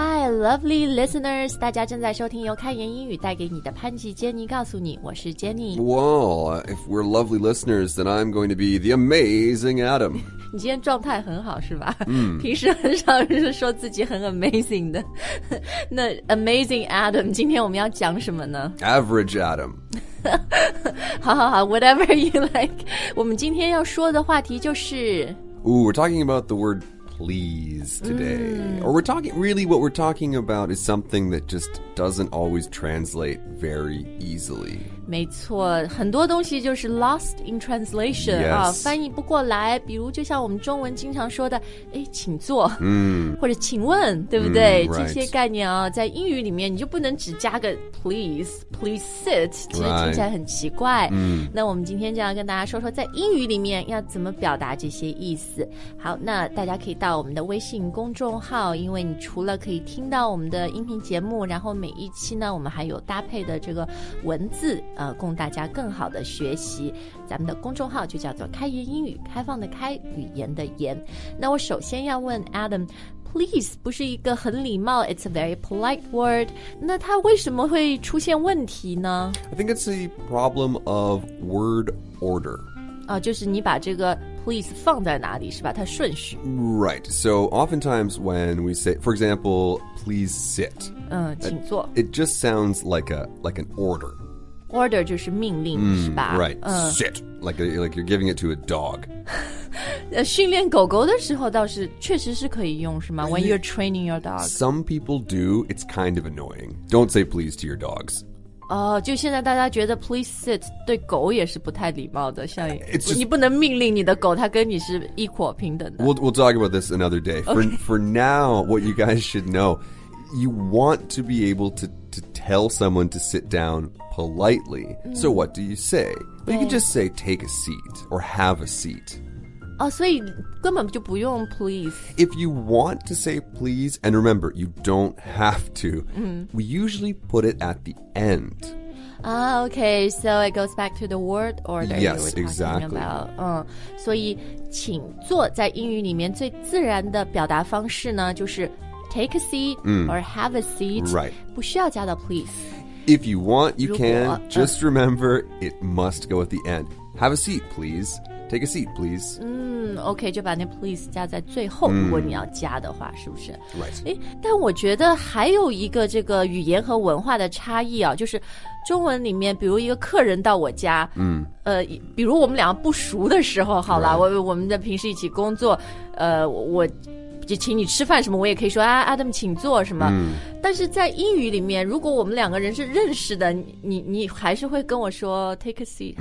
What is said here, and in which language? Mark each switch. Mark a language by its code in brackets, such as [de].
[en] Lovely listeners, [zh] 大家正在收听由开言英语带给你的潘吉杰尼告诉你，我是 Jenny. [en] Well, if we're lovely listeners, then I'm going to be the amazing Adam. [zh] 你今天状态很好是吧、 mm. 平时很少是说自己很 amazing 的。那 amazing Adam, 今天我们要讲什么呢 [en] Average Adam. [zh] 好好好 [en] whatever you like. [zh] 我们今天要说的话题就是 [en] Ooh, we're talking about the wordPlease today.、Mm. Or we're talking, really what we're talking about is something that just doesn't always translate very easily. [zh] 没错很多东西就是 [en] lost in translation. Yes.、 [zh] 翻译不过来比如就像我们中文经常说的哎请坐、 mm. 或者请问对不对、 [en] mm, right. [zh] 这些概念、在英语里面你就不能只加个 please, please sit. 其实听起来很奇怪、 [en] right. mm. [zh] 那我们今天就要跟大家说说在英语里面要怎么表达这些意思。好那大家可以到我们的微信公众号因为你除了可以听到我们的音频节目然后每一期呢我们还有搭配的这个文字、供大家更好的学习咱们的公众号就叫做开言英语开放的开语言的言那我首先要问 Adam Please 不是一个很礼貌 [en] It's a very polite word [zh] 那它为什么会出现问题呢 [en] I think it's a problem of word order、 [zh] 就是你把这个Please 放在哪里是吧它顺序 [en] Right, so oftentimes when we say, for example, please sit [zh] 请坐 [en] It just sounds like, like an order [zh] Order 就是命令、是吧 [en] Right,、sit, like you're giving it to a dog [zh] 训练狗狗的时候倒是确实是可以用是吗 [en] When you're training your dog Some people do, it's kind of annoying Don't say please to your dogs [zh] 就现在大家觉得 please sit 对狗也是不太礼貌的像 [en] just, [zh] 你不能命令你的狗它跟你是一伙平等的 [en] we'll talk about this another day for,、okay. for now what you guys should know you want to be able to tell someone to sit down politely、so what do you say you can just say take a seat or have a seat [zh] 所以根本就不用 please [en] if you want to say please and remember you don't have to、we usually put it at the end okay so it goes back to the word order yes exactly、 [zh] 所以请坐在英语里面最自然的表达方式呢就是 take a seat、or have a seat、 [en] right. [zh] 不需要加到 please [en] if you want you can just remember it must go at the end have a seat pleaseTake a seat, please. [zh] OK, 就把那 please 加在最后、如果你要加的话是不是 [en] Right. [zh] 但我觉得还有一个这个语言和文化的差异啊就是中文里面比如一个客人到我家、比如我们两个不熟的时候好了、 [en] right. [zh] 我们的平时一起工作我就请你吃饭什么我也可以说啊 Adam 请坐什么、但是在英语里面如果我们两个人是认识的你还是会跟我说 take a seat